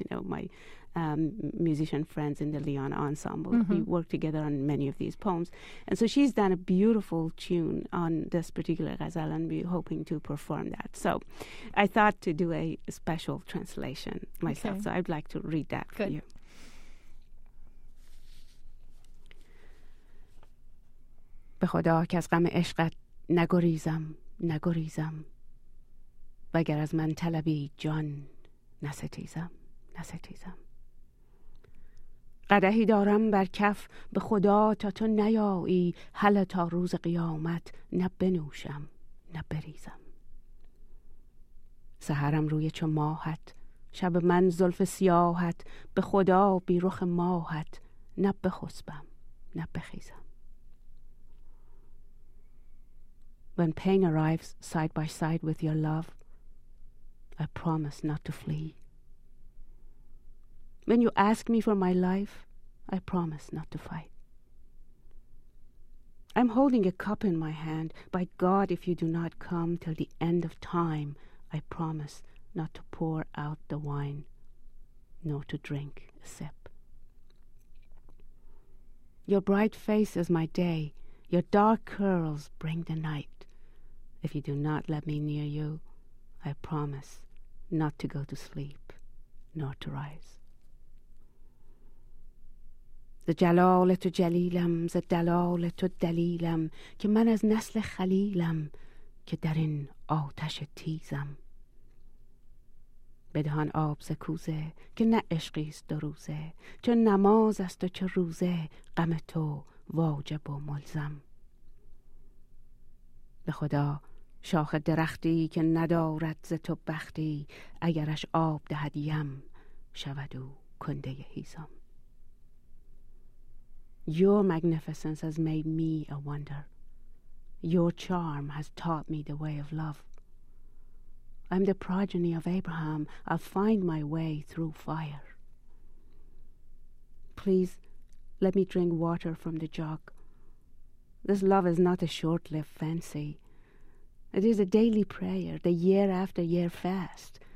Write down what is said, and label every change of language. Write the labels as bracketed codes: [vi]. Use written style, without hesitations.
[en] You know, my musician friends in the Lyon Ensemble, mm-hmm. we work together on many of these poems. And so she's done a beautiful tune on this particular ghazal, and we're hoping to perform that. So I thought to do a special translation myself. Okay. So I'd like to read that for you. [fa] به خدا که از غم عشقت نگریزم نگریزم وگر از من طلبی جان نستیزم نستیزم قدحی دارم بر کف به خدا تا تو نیایی حل تا روز قیامت نبنوشم نبریزم سحرم روی چو ماهت شب من زلف سیاهت به خدا بی رخ ماهت نبخسبم نبخیزم [en] When pain arrives side by side with your love, I promise not to flee. When you ask me for my life, I promise not to fight. I'm holding a cup in my hand. By God, if you do not come till the end of time, I promise not to pour out the wine, nor to drink a sip. Your bright face is my day. Your dark curls bring the night. If you do not let me near you, I promise not to go to sleep, nor to rise. [fa] ز جلال تو جلیلم، ز دلال تو دلیلم، که من از نسل خلیلم، که در این آتش تیزم. بدهان آب ز کوزه، که نه عشقی است دروزه، چه نماز است و چه روزه، غم تو واجب و ملزم. به خدا، شاخ درختی که ندارد ز تو بختی اگرش آب دهد یم شود او کنده هیزم [en] Your magnificence has made me a wonder Your charm has taught me the way of love I'm the progeny of Abraham I'll find my way through fire Please let me drink water from the jug This love is not a short-lived fancy It is a daily prayer, the year after year fast.